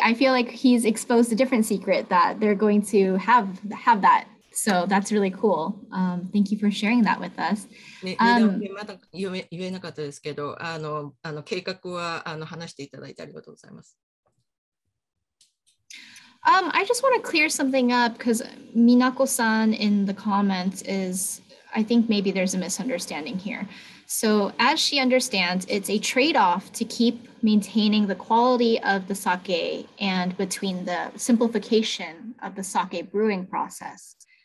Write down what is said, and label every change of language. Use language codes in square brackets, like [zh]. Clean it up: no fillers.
[en] I feel like he's exposed a different secret that they're going to have that. So that's really cool. Thank you for sharing that with us. [ja] まだ言えなかったですけど、計画は話していただいてありがとうございます。 [en] I just want to clear something up because Minako-san in the comments is, I think maybe there's a misunderstanding here. So as she understands, it's a trade-off to keep maintaining the quality of the sake and between the simplification of the sake brewing process.